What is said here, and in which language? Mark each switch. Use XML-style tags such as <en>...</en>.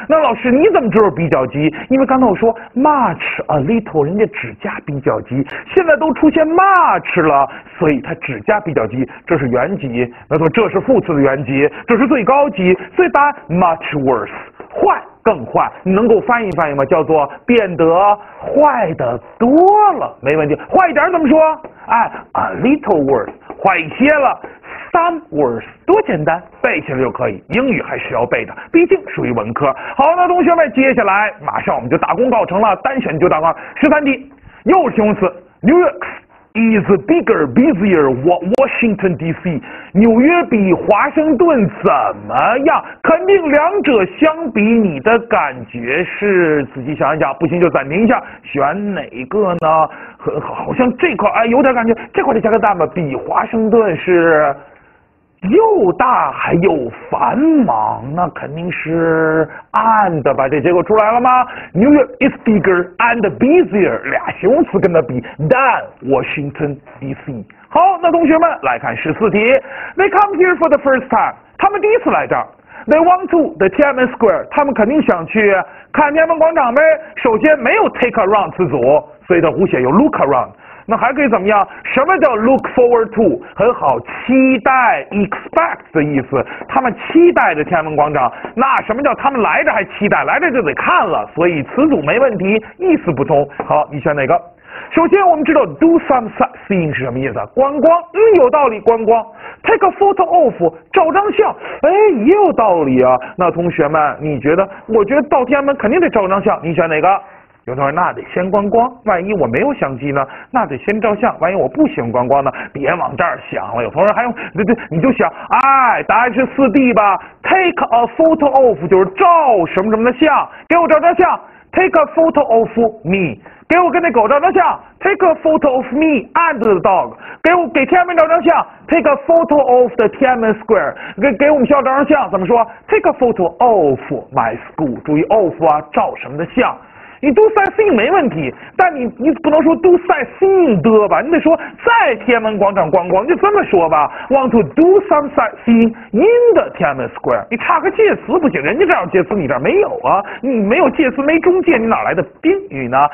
<zh>那老师你怎么知道比较级？因为刚才我说 much a little， 人家只加比较级，现在都出现 much 了，所以它只加比较级，这是原级，那么这是副词的原级，这是最高级，所以答案 much worse， 坏，更坏。你能够翻译翻译吗？叫做变得坏的多了，没问题。坏一点怎么说？哎，</zh> <en>a little worse，</en> <zh>坏一些了。 Some worse， 多简单，背起来就可以。英语还是要背的，毕竟属于文科。好了，同学们，接下来马上我们就大功告成了，单选就大功。13题，又是形容词 New York，</zh> <en>is bigger, busier, Washington D.C.</en> <zh>纽约比华盛顿怎么样？肯定两者相比，你的感觉是？仔细想一想，不行就暂停一下，选哪个呢？好像这块哎，有点感觉，这块的价格大吗？比华盛顿是又大还又繁忙，那肯定是 and 吧？这结果出来了吗 ？</zh> <en>New York is bigger and busier，</en> <zh>俩形容词跟它比 ，</zh> <en>than Washington D.C.</en> <zh>好，那同学们来看14题 ，</zh> <en>They come here for the first time，</en> <zh>他们第一次来这儿。</zh> <en>They want to the Tiananmen Square，</en> <zh>他们肯定想去看天安门广场呗。首先没有 take around 词组，所以它无写有 look around。那还可以怎么样？什么叫 look forward to？很好，期待 expect 的意思。他们期待着天安门广场。那什么叫他们来着还期待？来着就得看了，所以词组没问题，意思不通。好，你选哪个？首先我们知道 do some sightseeing 是什么意思？观光，嗯，有道理，观光。 Take a photo of， 照张相，哎，也有道理啊。那同学们，你觉得？我觉得到天安门肯定得照张相，你选哪个？有同学，那得先观光，万一我没有相机呢？那得先照相，万一我不喜欢观光呢？别往这儿想了。有同学还用，你就想，哎，答案是4D 吧 ？Take a photo of 就是照什么什么的相，给我照张相。</zh> <en>Take a photo of me，</en> <zh>给我跟那狗照张相。</zh> <en>Take a photo of me and the dog，</en> <zh>给天安门照张相。</zh> <en>Take a photo of the Tiananmen Square，</en> <zh>给我们学校照张相。怎么说 ？</zh> <en>Take a photo of my school，</en> <zh>注意 of 啊，照什么的相。你 do sightseeing 没问题，但你不能说 do sightseeing 的吧，你得说在天安门广场逛逛，就这么说吧。</zh> <en>Want to do some sightseeing in the Tiananmen Square，</en> <zh>你差个介词不行，人家这有介词，你这没有啊，你没有介词，没中介，你哪来的宾语呢？</zh>